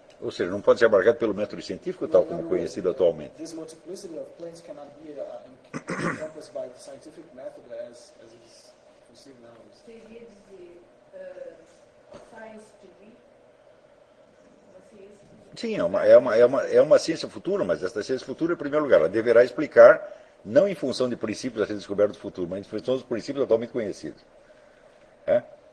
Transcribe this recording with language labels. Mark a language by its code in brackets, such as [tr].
[pt] Ou seja, não pode ser abarcado pelo método científico tal como conhecido atualmente. [en] This multiplicity of planes cannot be encompassed by the scientific method as it is conceived now. [pt] Seria dizer [en] science to be? [pt] Sim, é uma ciência futura, mas esta ciência futura, em primeiro lugar, ela deverá explicar não em função de princípios a ser descoberto do futuro, mas em função dos princípios atualmente conhecidos. É?